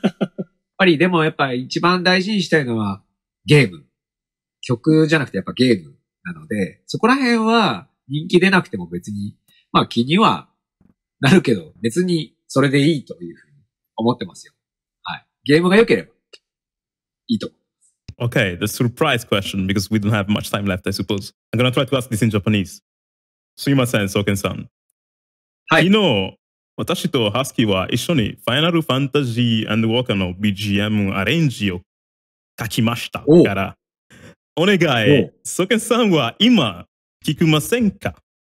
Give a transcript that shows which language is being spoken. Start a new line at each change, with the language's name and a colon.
Japanese: やっぱりでもやっぱ一番大事にしたいのはゲーム。曲じゃなくてやっぱゲームなので、そこら辺は人気出なくても別に、まあ気にはなるけど、別にそれでいいというふうに思ってますよ。はい。ゲームが良ければいいと思います。
English: Okay, the surprise question, because we don't have much time left, I suppose. I'm gonna try to ask this in Japanese.
Japanese: すいません、ソーケンさん。はい。昨日、私とハスキーは一緒にファイナルファンタジー&ウォーカーの BGM アレンジを書きましたから、お願い、ソーケンさんは今、聞きませんか？